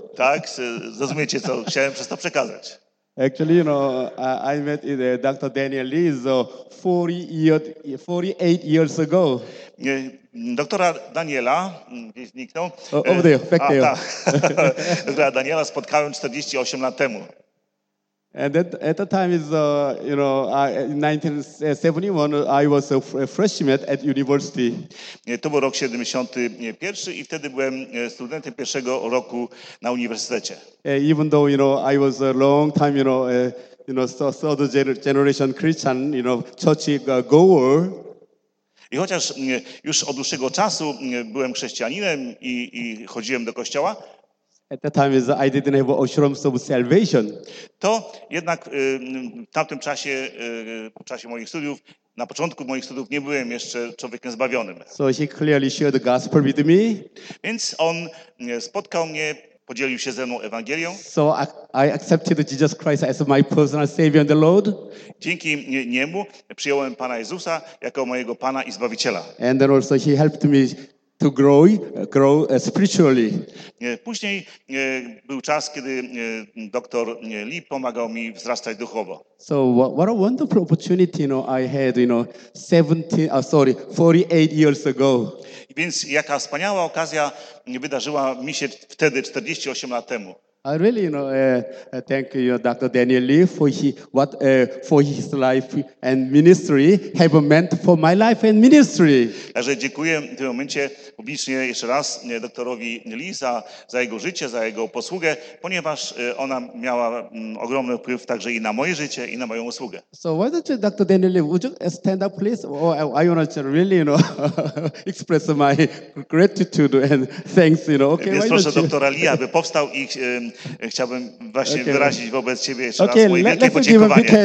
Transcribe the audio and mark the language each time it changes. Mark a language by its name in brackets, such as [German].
[Polish] Tak, zrozumiecie, co chciałem przez to przekazać. [English] Actually, you know, I met Dr. Daniel Lee 48 years ago. [Polish] Doktora Daniela, gdzieś zniknął. [English] Over there, back there. [Polish] Doktora Daniela spotkałem 48 lat temu. [English] And at the time is, you know, in 1971, I was a freshman at university. [Polish] To był rok 71 i wtedy byłem studentem pierwszego roku na uniwersytecie. [English] Even though, you know, I was a long time, you know, third generation Christian, you know, church goer. [Polish] I chociaż już od dłuższego czasu byłem chrześcijaninem i chodziłem do kościoła. [English] At that time is I didn't have assurance of salvation. [Polish] To jednak w tamtym czasie, w czasie moich studiów, na początku moich studiów nie byłem jeszcze człowiekiem zbawionym. [English] So he clearly shared the gospel with me. [Polish] Więc on spotkał mnie, podzielił się ze mną Ewangelią. [English] So I accepted Jesus Christ as my personal Savior and the Lord. [Polish] Dzięki niemu przyjąłem Pana Jezusa jako mojego Pana i Zbawiciela. [English] And then also he helped me to grow spiritually. [Polish] Później był czas, kiedy doktor Lee pomagał mi wzrastać duchowo. [English] So what a wonderful opportunity, I had, 48 years ago. [Polish] Więc jaka wspaniała okazja wydarzyła mi się wtedy 48 lat temu. [English] I really, thank you, Dr. Daniel Lee, for his life and ministry have meant for my life and ministry. [Polish] Także dziękuję w tym momencie publicznie jeszcze raz doktorowi Lee za jego życie, za jego posługę, ponieważ ona miała ogromny wpływ także i na moje życie, i na moją usługę. [English] So why don't you, Dr. Daniel Lee, would you stand up, please? I want to really, express my gratitude and thanks, okay? [Polish] Więc proszę doktora Lee, aby powstał i chciałbym właśnie wyrazić wobec ciebie jeszcze raz moje wielkie podziękowanie.